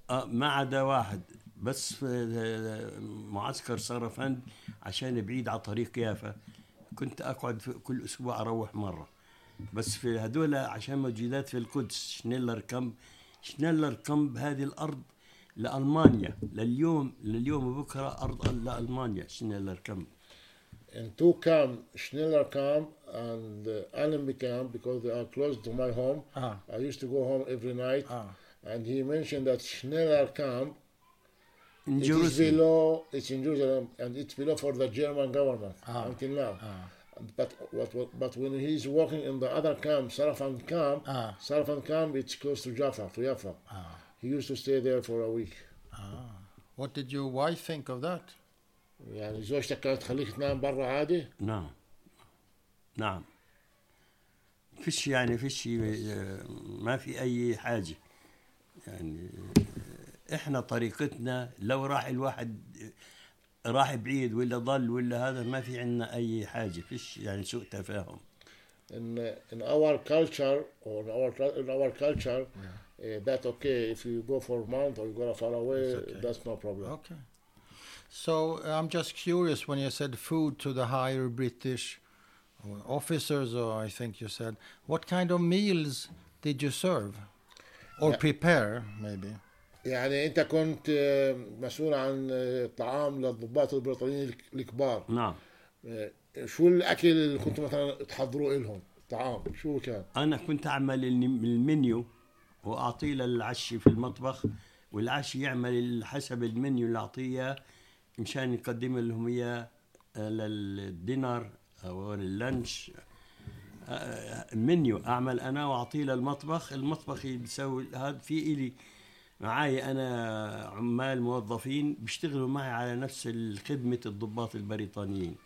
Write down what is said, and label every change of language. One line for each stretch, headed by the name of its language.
Arabic: ما عدا واحد بس معسكر سرفند عشان بعيد على طريق يافا كنت اقعد كل اسبوع اروح مره بس في هذول عشان مجيدات في القدس شنيلر كامب هذه الارض لالمانيا لليوم وبكره ارض لالمانيا شنيلر كامب
English: In 2 camps, Schneller camp and Allenby camp, because they are close to my home. I used to go home every night. And he mentioned that Schneller camp, in Jerusalem. It's in Jerusalem, and it's below for the German government until now. But when he's working in the other camp, Sarafand camp, Sarafand camp, it's close to Jaffa, to Jaffa. He used to stay there for a week. What did your wife think of that?
Arabic: يعني زوجتك كانت تخليك تنام برا عادي؟ نعم فيش يعني فيش ما في أي حاجة يعني إحنا طريقتنا لو راح الواحد راح بعيد ولا ضل ولا هذا ما في عندنا أي حاجة فيش يعني سوء تفاهم
English: in our culture or in our culture that okay if you go for a month or you go far away that's no problem okay So I'm just curious when you said food to the higher British officers, or I think you said, what kind of meals did you serve or prepare, maybe?
Arabic: يعني أنت كنت مسؤول عن طعام للضباط البريطانيين الكبار. نعم. شو الأكل اللي كنت مثلا تحضروا لهم طعام؟ شو كان؟ أنا كنت أعمل المنيو وأعطيه للعشي في المطبخ والعشي يعمل حسب المنيو اللي أعطيه مشان يقدم لهم إياه للدينر أو لللانش منيو أعمل أنا وأعطيه للمطبخ المطبخ يسوي هاد في إلي معاي أنا عمال موظفين بيشتغلوا معي على نفس خدمة الضباط البريطانيين.